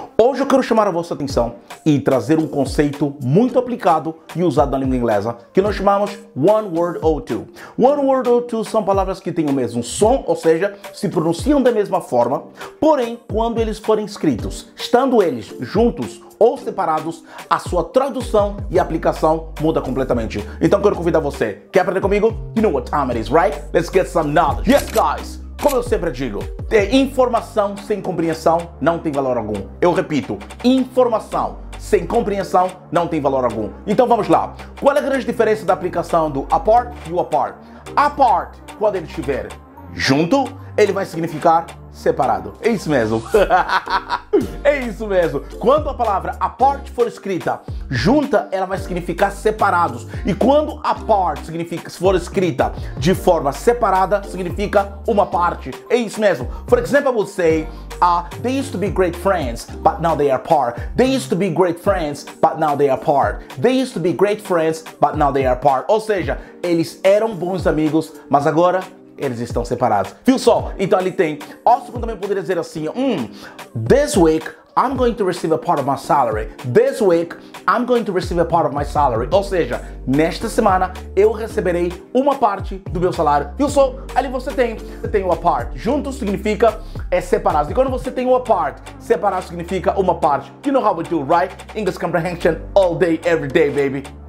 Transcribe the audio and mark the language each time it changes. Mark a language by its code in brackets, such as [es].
[pt] Hoje eu quero chamar a vossa atenção e trazer um conceito muito aplicado e usado na língua inglesa, que nós chamamos one word or two. One word or two são palavras que têm o mesmo som, ou seja, se pronunciam da mesma forma, porém, quando eles forem escritos, estando eles juntos ou separados, a sua tradução e aplicação muda completamente. Então quero convidar você, quer aprender comigo? [en] You know what time it is, right? Let's get some knowledge. Yes, guys! [pt] Como eu sempre digo, informação sem compreensão não tem valor algum. Eu repito, informação sem compreensão não tem valor algum. Então vamos lá. Qual é a grande diferença da aplicação do apart e o apart? Apart, quando ele estiver junto, ele vai significar separado. É isso mesmo. É isso mesmo. Quando a palavra apart for escrita junta, ela vai significar separados. E quando apart significa, for escrita de forma separada, significa uma parte. É isso mesmo. [en] For example, I would say, they used to be great friends, but now they are apart. They used to be great friends, but now they are apart. They used to be great friends, but now they are apart. [pt] Ou seja, eles eram bons amigos, mas agora eles estão separados. Viu só? Então ali tem. [en] Also, [pt] também poderia dizer assim, [en] this week I'm going to receive a part of my salary. This week I'm going to receive a part of my salary. [pt] Ou seja, nesta semana eu receberei uma parte do meu salário. Viu só? Ali você tem o apart. Juntos significa é separado. E quando você tem o apart, separado significa uma parte. [en] You know how we do, right? English comprehension all day, every day, baby.